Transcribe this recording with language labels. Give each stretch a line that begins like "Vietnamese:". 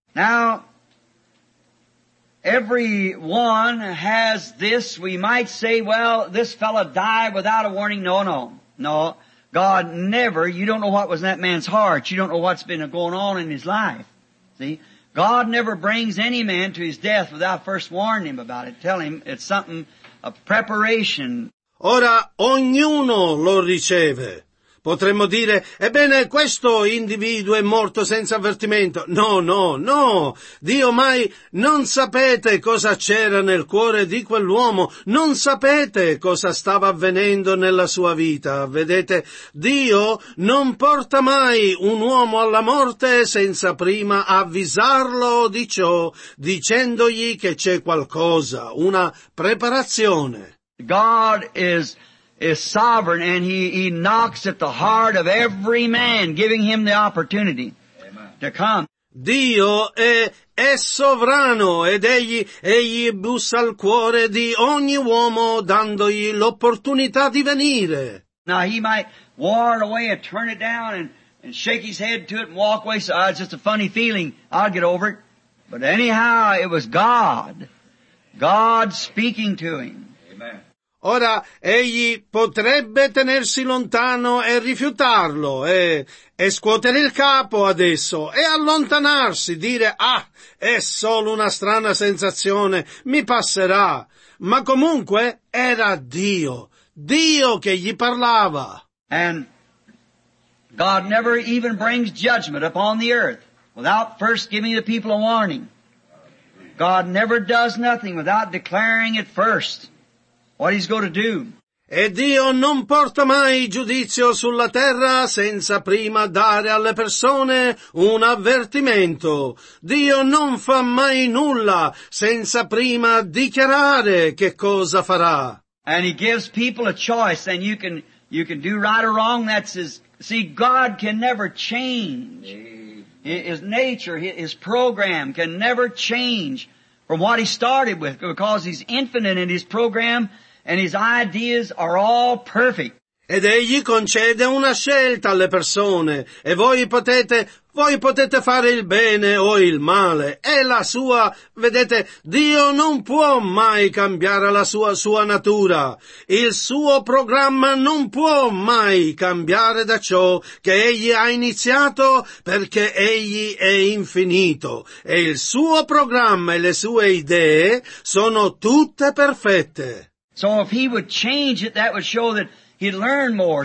English: Now, everyone has this, we might say, well, this fellow died without a warning, no. God never, you don't know what was in that man's heart. You don't know what's been going on in his life. See? God never brings any man to his death without first warning him about it. Tell him it's something, a preparation.
Italian: Ora, ognuno lo riceve. Potremmo dire, ebbene, questo individuo è morto senza avvertimento. No, no, no! Dio, mai non sapete cosa c'era nel cuore di quell'uomo. Non sapete cosa stava avvenendo nella sua vita. Vedete, Dio non porta mai un uomo alla morte senza prima avvisarlo di ciò, dicendogli che c'è qualcosa, una preparazione.
English: God is sovereign, and he knocks at the heart of every man, giving him the opportunity to come.
Italian: Dio è sovrano, ed egli bussa al cuore di ogni uomo, dandogli l'opportunità di venire.
English: Now he might ward away and turn it down and shake his head to it and walk away, so it's just a funny feeling, I'll get over it. But anyhow, it was God speaking to him. Amen.
Italian: Ora, egli potrebbe tenersi lontano e rifiutarlo, e scuotere il capo adesso, e allontanarsi, dire, ah, è solo una strana sensazione, mi passerà. Ma comunque, era Dio che gli parlava.
English: And God never even brings judgment upon the earth without first giving the people a warning. God never does nothing without declaring it first. What he's going to do.
Italian: E Dio non porta mai giudizio sulla terra senza prima dare alle persone un avvertimento. Dio non fa mai nulla senza prima dichiarare che cosa farà.
English: And he gives people a choice, and you can do right or wrong. God can never change. His nature, his program can never change from what he started with, because he's infinite in his program. And his ideas are all perfect.
Italian: Ed egli concede una scelta alle persone, e voi potete fare il bene o il male. È la sua, vedete, Dio non può mai cambiare la sua natura. Il suo programma non può mai cambiare da ciò che egli ha iniziato, perché egli è infinito. E il suo programma e le sue idee sono tutte perfette.
English: So if he would change it, that would show that he'd learn more.